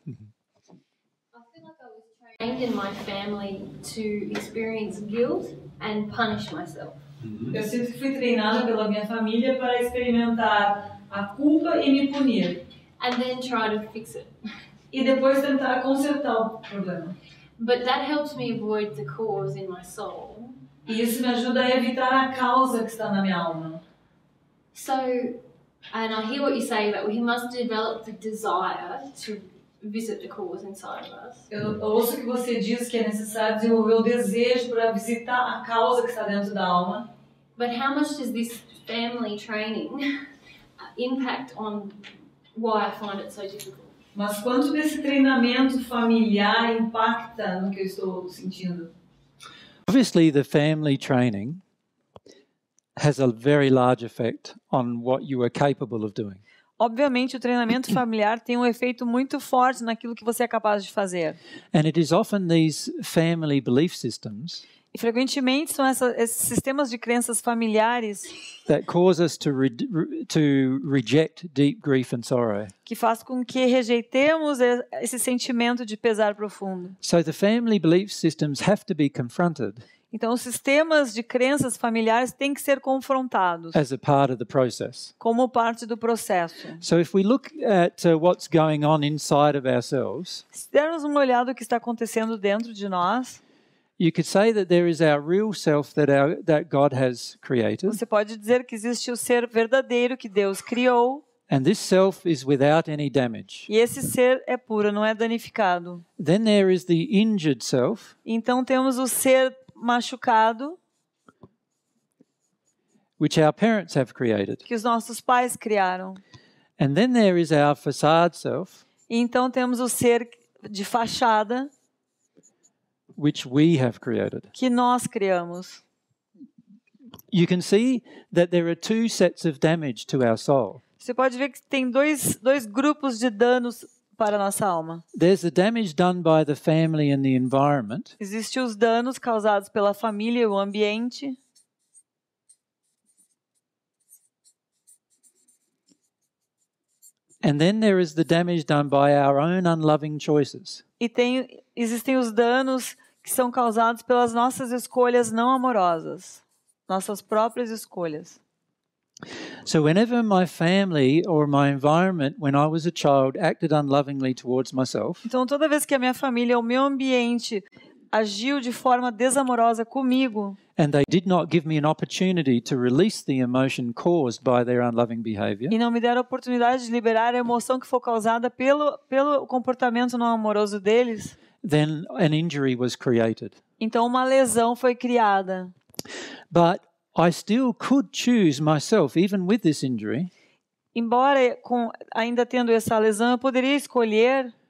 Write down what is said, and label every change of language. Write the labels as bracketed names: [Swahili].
[English] Mm-hmm. I feel like I was trained in my family to experience guilt and punish myself. Mm-hmm. [Portuguese] Eu sempre fui treinada pela minha família para experimentar a culpa e me punir. [English] And then try to fix it. [Portuguese] E depois tentar consertar o problema. [English] But that helps me avoid the cause in my soul. [Portuguese] E isso me ajuda a evitar a causa que está na minha alma. [English] So, and I hear what you say that we must develop the desire to visit the cause inside of us. [Portuguese] Eu ouço que você diz que é necessário desenvolver o desejo para visitar a causa que está dentro da alma. [English] But how much does this family training impact on why I find it so difficult? [Portuguese] Mas quanto desse treinamento familiar impacta no que eu estou sentindo? [English] Obviously, the family training has a very large effect on what you are capable of doing. [Portuguese] Obviamente, o treinamento familiar tem um efeito muito forte naquilo que você é capaz de fazer. [English] And it is often these family belief systems. [Portuguese] E frequentemente são esses sistemas de crenças familiares [English] that cause us to reject deep grief and sorrow. [Portuguese] Que faz com que rejeitemos esse sentimento de pesar profundo. [English] So the family belief systems have to be confronted. [Portuguese] Então os sistemas de crenças familiares têm que ser confrontados [English] as a part of the process. [Portuguese] Como parte do processo. [English] So if we look at what's going on inside of ourselves, [Portuguese] se dermos uma olhada no que está acontecendo dentro de nós, [English] you could say that there is our real self that God has created. [Portuguese] Você pode dizer que existe o ser verdadeiro que Deus criou. [English] And this self is without any damage. [Portuguese] E esse ser é puro, não é danificado. [English] Then there is the injured self. [Portuguese] Então temos o ser machucado. [English] Which our parents have created. [Portuguese] Que os nossos pais criaram. [English] And then there is our facade self. [Portuguese] E então temos o ser de fachada. [English] Which we have created. [Portuguese] Que nós criamos. [English] You can see that there are two sets of damage to our soul. [Portuguese] Você pode ver que tem dois grupos de danos para a nossa alma. [English] There's the damage done by the family and the environment. [Portuguese] Existem os danos causados pela família e o ambiente. [English] And then there is the damage done by our own unloving choices. [Portuguese] Existem os danos que são causados pelas nossas escolhas não amorosas, nossas próprias escolhas. [English] So whenever my family or my environment when I was a child acted unlovingly towards myself. [Portuguese] Então toda vez que a minha família ou meu ambiente agiu de forma desamorosa comigo. [English] And they did not give me an opportunity to release the emotion caused by their unloving behavior. [Portuguese] E não me deram a oportunidade de liberar a emoção que foi causada pelo comportamento não amoroso deles. [English] Then an injury was created. [Portuguese] Então uma lesão foi criada. [English] But I still could choose myself, even with this injury. [Portuguese] Embora ainda tendo essa lesão, eu poderia escolher